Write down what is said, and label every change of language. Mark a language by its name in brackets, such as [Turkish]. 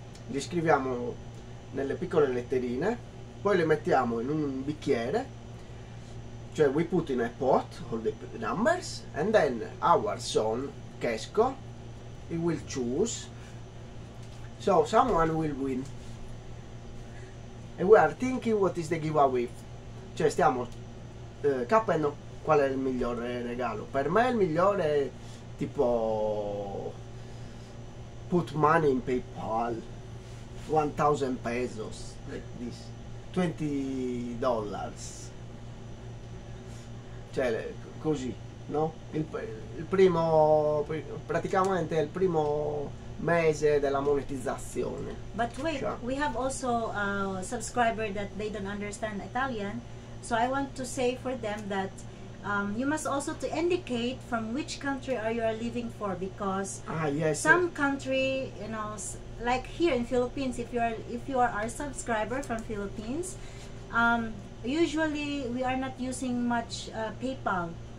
[Italian] li scriviamo nelle piccole letterine, poi li mettiamo in un bicchiere, cioè [English] we put in a pot all the numbers, and then our son, Kesko, he will choose, so someone will win. And we are thinking what is the giveaway. [Italian] Cioè stiamo capendo qual è il migliore regalo. Per me il migliore è tipo [English] put money in PayPal, 1000 pesos, like this, $20. [Italian] Cioè così, no? Il primo, praticamente il primo mese della monetizzazione. [English] But wait, sure. We have also a subscriber that they don't understand Italian, so I want to say for them that you must also to indicate from which country are you are living for, because some country, you know, like here in Philippines, if you are our subscriber from Philippines, usually we are not using much PayPal.